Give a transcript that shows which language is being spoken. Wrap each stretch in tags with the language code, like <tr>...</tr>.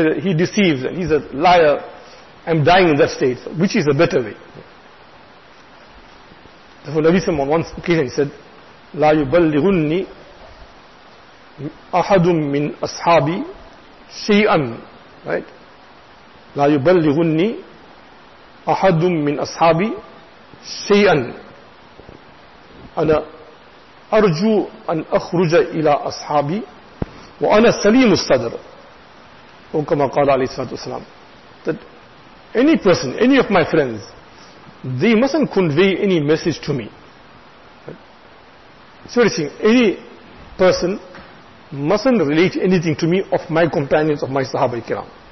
<en>He deceives, and he's a liar. I'm dying in that state. So which is the better way? Therefore, Nabi Sallam on one occasion said,</en> <ar>لا يبلغني أحد من أصحابي شيئا.</ar> <en>Right?</en> <ar>لا يبلغني أحد من أصحابي شيئا. أنا أرجو أن أخرج إلى أصحابي وَأَنَا سَلِيمُ الصَّدْرُ وَكَمَا قَالَ عَلَيْهِ صَلَّى اللَّهُ عَلَيْهِ وَسَلَّمُ.</ar> <en>That any person, any of my friends, they mustn't convey any message to me. So what he's saying, any person mustn't relate anything to me of my companions, of my Sahaba Ikram.</en>